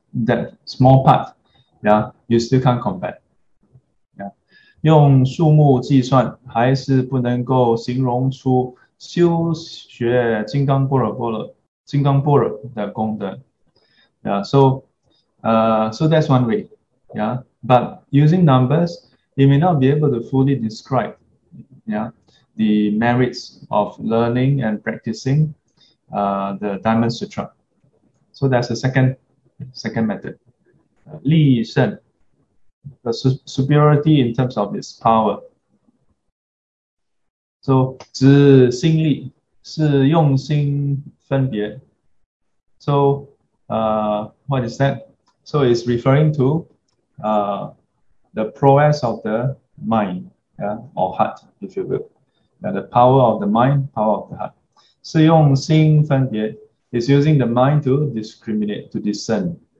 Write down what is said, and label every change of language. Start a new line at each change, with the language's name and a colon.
English: Then up to that small part, you still can't compare.
Chinese: 用数目计算还是不能够形容出修学金刚般若波罗的功德.
English: So that's one way. But using numbers, you may not be able to fully describe the merits of learning and practicing the Diamond Sutra. So that's the second method. 力胜, the superiority in terms of its power.
Chinese: So 指心力, 是用心分别.
English: So what is that? So it's referring to the prowess of the mind, or heart, if you will. The power of the mind, power of the heart.
Chinese: 是用心分别,
English: is using the mind to discriminate, to discern.